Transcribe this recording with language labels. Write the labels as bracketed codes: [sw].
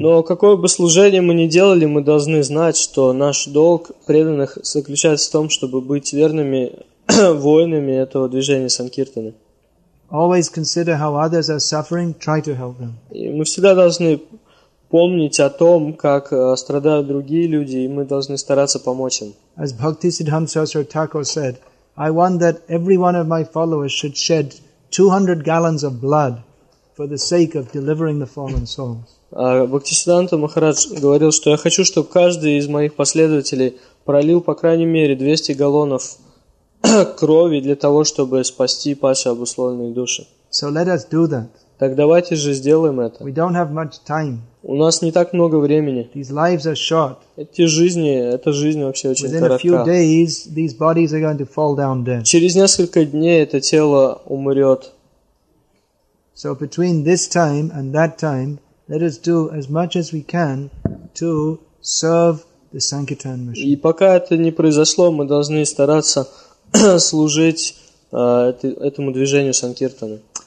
[ru] Но какое бы служение мы ни делали, мы должны знать, что наш долг преданных заключается в том, чтобы быть верными воинами этого движения Санкиртаны. [en] Always consider how others are suffering, try to help them. [ru] И мы всегда должны помнить о том, как страдают другие люди, и мы должны стараться помочь им. [en] As Bhaktisiddhanta Saraswati Thakur said, I want that every one of my followers should shed 200 gallons of blood for the sake of delivering the fallen souls. [ru] Бхактисиддханта Махарадж говорил, что я хочу, чтобы каждый из моих последователей пролил по крайней мере 200 галлонов крови для того, чтобы спасти падшие обусловленные души. [en] So let us do that. [ru] Так давайте же сделаем это. [en] We don't have much time. [ru] У нас не так много времени. [en] These lives are short. [ru] Эти жизни, эта жизнь вообще очень [en] Within [ru] коротка. [en] A few days, these bodies are going to fall down dead. [ru] Через несколько дней это тело умрет. [en] So between this time and that time, let us do as much as we can to serve the Sankirtan mission. [ru] И пока это не произошло, мы должны стараться служить этому движению Санкиртаны.